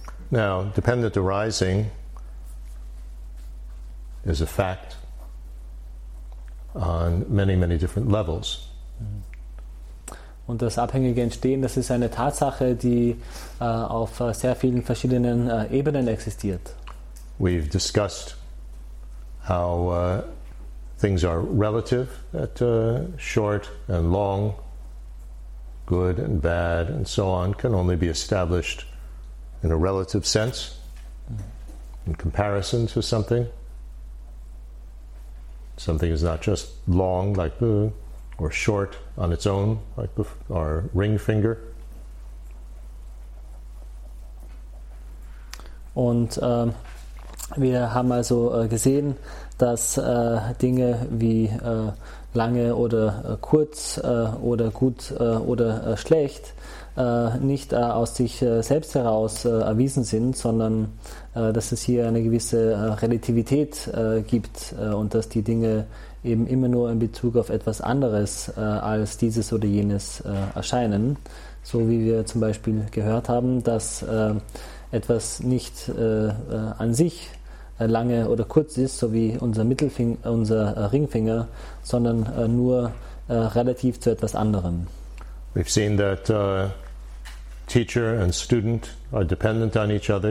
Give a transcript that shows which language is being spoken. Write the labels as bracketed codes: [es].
[en] Now, dependent arising is a fact on many, many different levels. [de] Und das abhängige Entstehen, das ist eine Tatsache, die auf sehr vielen verschiedenen Ebenen existiert. [en] We've discussed how things are relative, that short and long, good and bad and so on, can only be established in a relative sense, in comparison to something. Something is not just long, like the or short on its own, like our ring finger. [de] Und wir haben also gesehen, dass Dinge wie lange oder kurz oder gut oder schlecht nicht aus sich selbst heraus erwiesen sind, sondern dass es hier eine gewisse Relativität gibt und dass die Dinge eben immer nur in Bezug auf etwas anderes als dieses oder jenes erscheinen. So wie wir zum Beispiel gehört haben, dass etwas nicht an sich lange oder kurz ist, so wie unser Ringfinger, sondern nur relativ zu etwas anderem. [en] We've seen that teacher and student are dependent on each other.